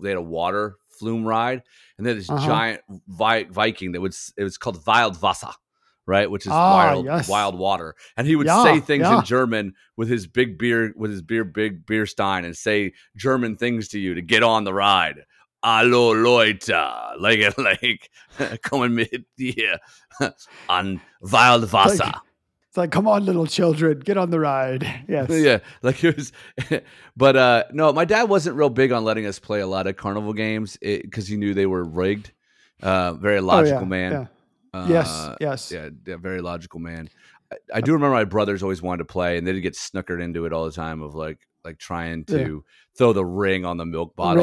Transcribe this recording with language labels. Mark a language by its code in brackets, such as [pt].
[en] They had a water flume ride, and then this giant Viking that was called Wild Wasser, right? Which is wild water. And he would say things in German with his big beer stein and say German things to you to get on the ride. [de] Hallo Leute, like kommen mit dir an Wild Wasser. [en] Like, come on, little children, get on the ride. Yes. Yeah. Like, it was, but no, my dad wasn't real big on letting us play a lot of carnival games because he knew they were rigged. Very logical man. Yeah, very logical man. I do remember my brothers always wanted to play, and they'd get snookered into it all the time of like trying to throw the ring on the milk bottle.